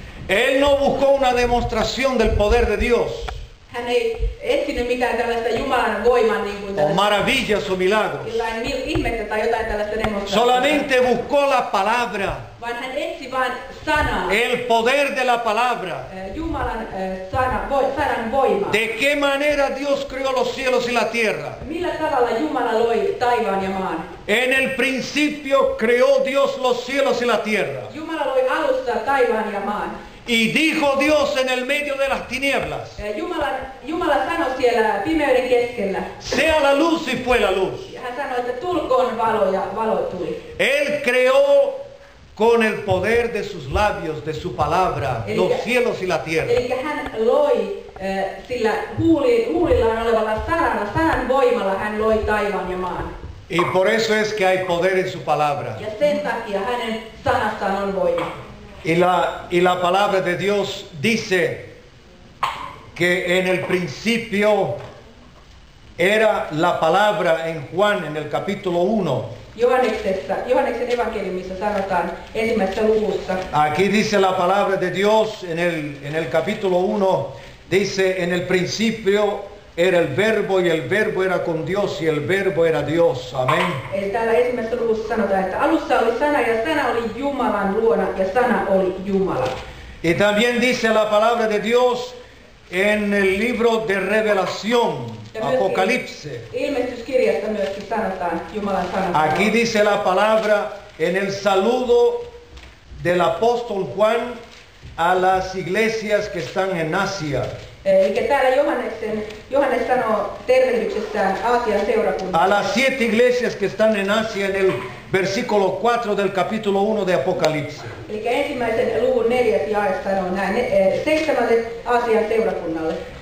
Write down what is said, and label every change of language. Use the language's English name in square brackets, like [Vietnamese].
[Spanish] Él no buscó una demostración del poder de Dios. [Finnish] Hän ei etsinyt mitään tällaista Jumalan voimaa niin kuin [Spanish] maravillas o milagros. [Finnish] Jotain ihmettä tai jotain tällaista demonstraatiota. [Spanish] Solamente buscó la palabra. [Finnish] Vaan hän etsi vain sanaa. [Spanish] El poder de la palabra. [Finnish] Jumalan sanan voima. [Spanish] De qué manera Dios creó los cielos y la tierra. [Finnish] Millä tavalla Jumala loi taivaan ja maan. [Spanish] En el principio creó Dios los cielos y la tierra. [Finnish] Jumala loi alussa taivaan ja maan. [Spanish] Y dijo Dios en el medio de las tinieblas. [Finnish] Jumala sanoi siellä pimeyden keskellä. [Spanish] Sea la luz y fue la luz. [Finnish] Hän sanoi, että tulkoon valo ja valo tuli. [Spanish] Él creó con el poder de sus labios, de su palabra, elikkä, los cielos y la tierra. [Finnish] Elikkä hän loi sillä huulillaan olevalla sanalla, sanan voimalla hän loi taivaan ja maan. [Spanish] Y por eso es que hay poder en su palabra. [Finnish] Ja sen takia hänen sanastaan on voima. [Spanish] Y la palabra de Dios dice que en el principio era la palabra en Juan en el capítulo 1. [Finnish] Johanneksen evankeliumissa sanotaan ensimmäisessä luvussa. [Spanish] Aquí dice la palabra de Dios en el capítulo 1, dice en el principio era el verbo y el verbo era con Dios y el verbo era Dios. Amén. [Finnish] Eli täällä ensimmäisessä luvussa sanotaan, että alussa oli sana ja sana oli Jumalan luona ja sana oli Jumala. [Spanish] Y también dice la palabra de Dios en el libro de Revelación, Apocalipsis. [Finnish] Ilmestyskirjasta myöskin sanotaan Jumalan sana. [Spanish] Aquí dice la palabra en el saludo del apóstol Juan a las iglesias que están en Asia. [Finnish] Eli täällä Johannes sanoo tervehdyksessään Aasian seurakunnalle. [Spanish] A las siete iglesias que están en Asia en el versículo 4 del capítulo 1 de Apocalipsis. [Finnish] Eli ensimmäisen luvun 4. jae sanoo näin, seitsemälle Aasian seurakunnalle.